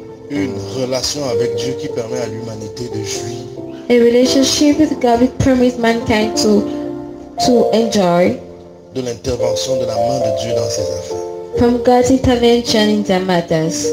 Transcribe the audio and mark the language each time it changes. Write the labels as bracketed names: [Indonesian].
[French] Une relation avec Dieu qui permet à l'humanité de jouir. [English] A relationship with God which permits mankind to enjoy. [French] De l'intervention de la main de Dieu dans ses affaires. [English] From God's intervention in their matters.